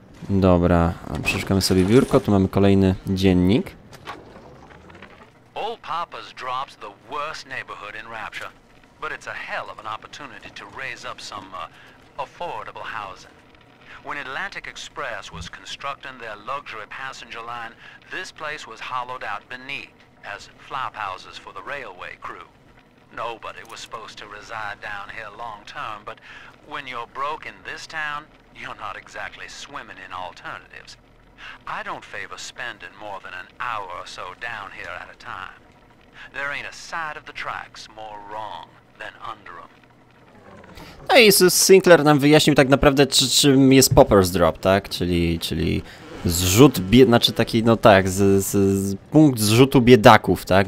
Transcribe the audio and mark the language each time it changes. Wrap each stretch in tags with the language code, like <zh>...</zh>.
<pl>Dobra, przeszukamy sobie biurko, tu mamy kolejny dziennik.</pl> <en>Old Papa's drops the worst neighborhood in Rapture, but it's a hell of an opportunity to raise up some affordable housing. When Atlantic Express was constructing their luxury passenger line, this place was hollowed out beneath as flop houses for the railway crew. Nobody was supposed to reside down here long term, but when you're broke in this town, you're not exactly swimming in alternatives. I don't favor spending more than an hour or so down here at a time. There ain't a side of the tracks more wrong than under 'em.</en> <pl>No i Sinclair nam wyjaśnił tak naprawdę, czym jest Popper's Drop, tak? Czyli zrzut, znaczy taki, no tak, punkt zrzutu biedaków, tak?</pl>